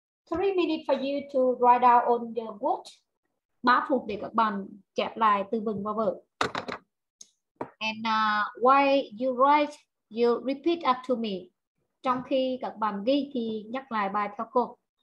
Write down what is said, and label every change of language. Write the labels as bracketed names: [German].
[English] Three minutes for you to write down on your work. [Vietnamese] 3 phút để các bạn chép lại từ vựng vào vở. [English] And why you write, you repeat after me. [Vietnamese] Trong khi các bạn ghi thì nhắc lại bài theo cô.